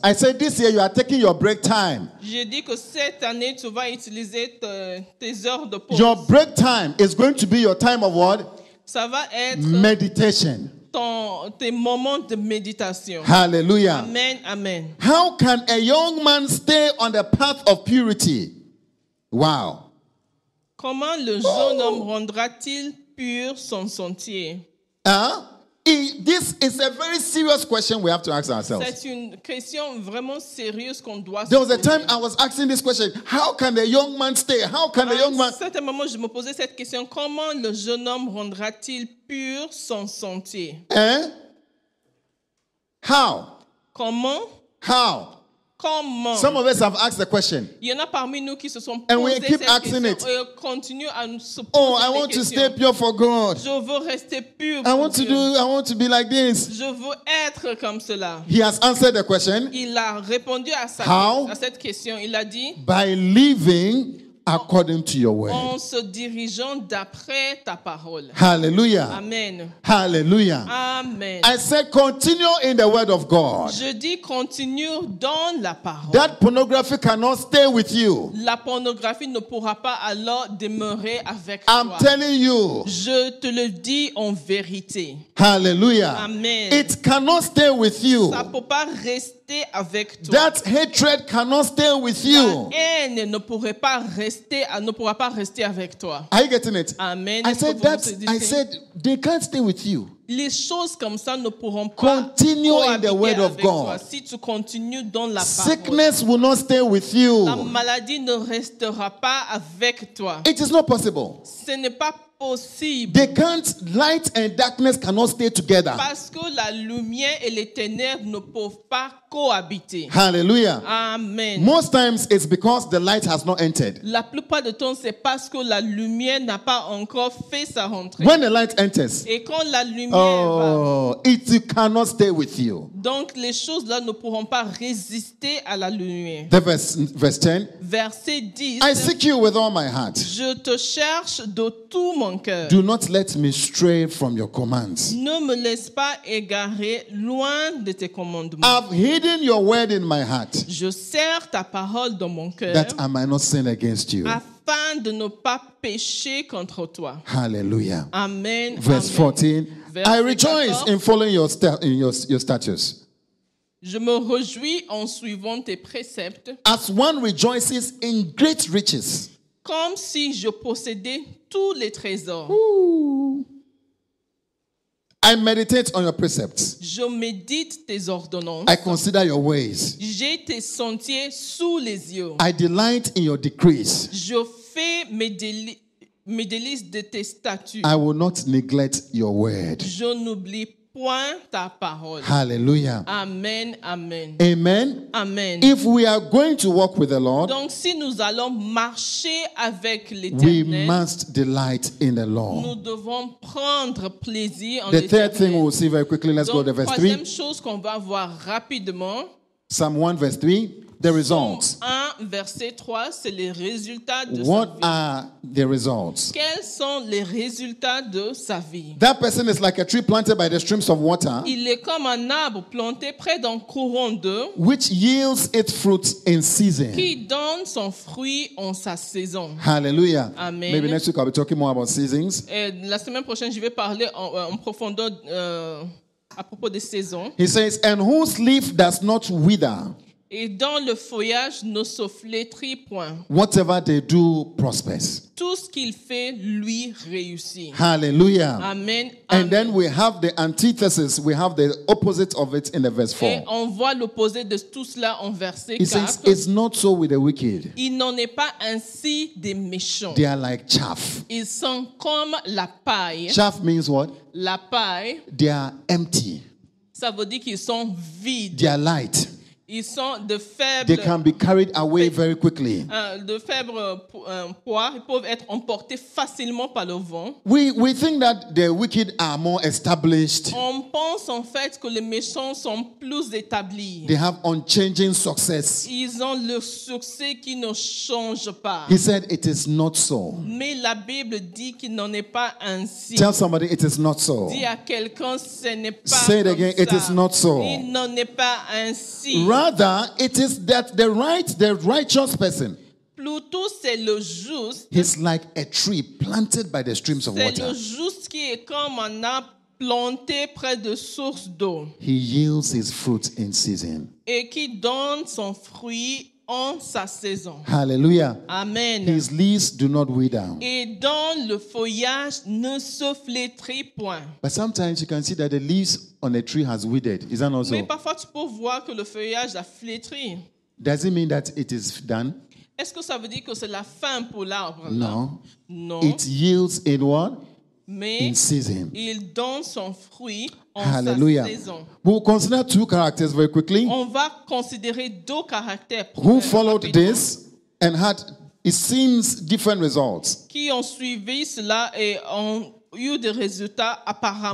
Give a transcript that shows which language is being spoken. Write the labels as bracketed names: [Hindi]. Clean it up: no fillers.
[English] I said this year you are taking your break time. [French] Je dis que cette année tu vas utiliser tes heures de pause. [English] Your break time is going to be your time of what? [French] Ça va être [English] meditation. [French] Tes moments de méditation. [English] Hallelujah. Amen, amen. How can a young man stay on the path of purity? Wow. [French] Comment le jeune homme rendra-t-il pur son sentier? [English] This is a very serious question we have to ask ourselves. [French] C'est une question vraiment sérieuse qu'on doit se [English] There was a time I was asking this question. How can a young man stay? How can a young man? [French] À un certain moment, je me posais cette question. Comment le jeune homme rendra-t-il pur son sentier? Hein? [English] How? [French] Comment? [English] How? [French] Comment? [English] Some of us have asked the question. [French] Il y en a parmi nous qui se sont [English] and [French] posé [English] we keep [French] cette [English] asking [French] question. Et continue à nous se poser [English] oh, I want questions. To stay pure for God. [French] Je veux rester pur [English] I want [French] Dieu. [English] To do. I want to be like this. [French] Je veux être comme cela. [English] He has answered the question. [French] Il a répondu à, sa, [English] how? [French] À cette question. Il a dit. [English] By living according to your word. [French] En se dirigeant d'après ta parole. [English] Hallelujah. Amen. Hallelujah. Amen. I said continue in the word of God. [French] Je dis continue dans la parole. [English] That pornography cannot stay with you. [French] La pornographie ne pourra pas alors demeurer avec [English] I'm [French] toi. [English] I'm telling you. [French] Je te le dis en vérité. [English] Hallelujah. Amen. It cannot stay with you. [French] Ça ne peut pas rester avec toi. [English] That hatred cannot stay with you. [French] La haine ne pourrait pas rester, ne pourra pas rester avec toi. [English] Are you getting it? Amen. I said they can't stay with you. [French] Les choses comme ça ne pourront pas [English] continue in the word of God. [French] Toi, si tu continues dans la parole. [English] Sickness will not stay with you. [French] La maladie ne restera pas avec toi. [English] It is not possible. [French] Ce n'est pas possible. [English] They can't, light and darkness cannot stay together. [French] Parce que la lumière et les ténèbres ne peuvent pas cohabiter. [English] Hallelujah. Amen. Most times it's because the light has not entered. [French] La plupart de temps c'est parce que la lumière n'a pas encore fait sa rentrée. [English] When the light enters, [French] et quand la lumière va, [English] it cannot stay with you. [French] Donc les choses là ne pourront pas résister à la lumière. [English] The verse 10. [French] Verset 10. [English] I seek you with all my heart. [French] Je te cherche de tout mon cœur. [English] Do not let me stray from your commands. [French] Ne me laisse pas égarer loin de tes commandements. [English] I've hidden your word in my heart. [French] Je serre ta parole dans mon cœur. [English] That I might not sin against you. [French] Afin de ne pas pécher contre toi. [English] Hallelujah. Amen. Verse 14. I rejoice in following your statutes. [French] Je me réjouis en suivant tes préceptes. [English] As one rejoices in great riches. [French] Comme si je possédais tous les trésors. [English] Ooh. I meditate on your precepts. [French] Je médite tes ordonnances. [English] I consider your ways. [French] J'ai tes sentiers sous les yeux. [English] I delight in your decrees. [French] Je fais mes délices de tes statuts. [English] I will not neglect your word. [French] Je n'oublie point ta parole. [English] Hallelujah. Amen, amen. Amen. Amen. If we are going to walk with the Lord, [French] donc si nous allons marcher avec l'Éternel, [English] we must delight in the Lord. [French] Nous devons prendre plaisir en [English] the third thing we'll see very quickly, let's [French] donc, [English] go to verse 3. [French] Troisième chose qu'on va voir rapidement. [English] Psalm 1 verse 3, the results. [French] Psalm 1 verset 3, c'est les résultats de [English] what What are the results? [French] Quels sont les résultats de sa vie? [English] That person is like a tree planted by the streams of water. [French] Il est comme un arbre planté près d'un courant d'eau. [English] Which yields its fruit in season. [French] Qui donne son fruit en sa saison. [English] Hallelujah. Amen. Maybe next week I'll be talking more about seasons. [French] Et la semaine prochaine, je vais parler en profondeur à propos des saisons. [English] He says, and whose leaf does not wither? [French] Et dans le feuillage ne se flétrit point. [English] Whatever they do prospers. [French] Tout ce qu'il fait lui réussit. [English] Hallelujah. Amen. Amen. And then we have the antithesis, we have the opposite of it in the verse 4. [French] Et on voit l'opposé de tout cela en verset 4. [English] He says, it's not so with the wicked. [French] Il n'en est pas ainsi des méchants. [English] They are like chaff. [French] Ils sont comme la paille. [English] Chaff means what? [French] La paille. [English] They are empty. [French] Ça veut dire qu'ils sont vides. [English] They are light. [French] Ils sont de faibles, [English] they can be carried away very quickly. [French] De faibles poids, ils peuvent être emportés facilement par le vent. [English] We think that the wicked are more established. [French] On pense en fait que les méchants sont plus établis. [English] They have unchanging success. [French] Ils ont le succès qui ne change pas. [English] He said it is not so. [French] Mais la Bible dit qu'il n'en est pas ainsi. [English] Tell somebody it is not so. [French] Dis à quelqu'un ce n'est pas. [English] Say it again, [French] ça. [English] It is not so. [French] Il n'en est pas ainsi. [English] Rather, it is that the righteous person. [French] Plutôt c'est le juste. [English] He's like a tree planted by the streams of water. [French] C'est le juste qui est comme un arbre planté près de sources d'eau. [English] He yields his fruit in season. [French] Et qui donne son fruit en sa saison. [English] Hallelujah. Amen. His leaves do not wither. [French] Et dans le feuillage ne se flétrit point. [English] But sometimes you can see that the leaves on a tree has withered. Is that not so? [French] Mais parfois tu peux voir que le feuillage a flétri. [English] Does it mean that it is done? [French] Est-ce que ça veut dire que c'est la fin pour l'arbre? Non. Non. [English] It yields in what? [French] Mais [English] in season. [French] Il donne son fruit. [English] Hallelujah. We'll consider two characters very quickly. [French] On va considérer deux caractères. [English] Who followed this and had, it seems, different results. [French] Qui ont suivi cela et ont eu des résultats apparemment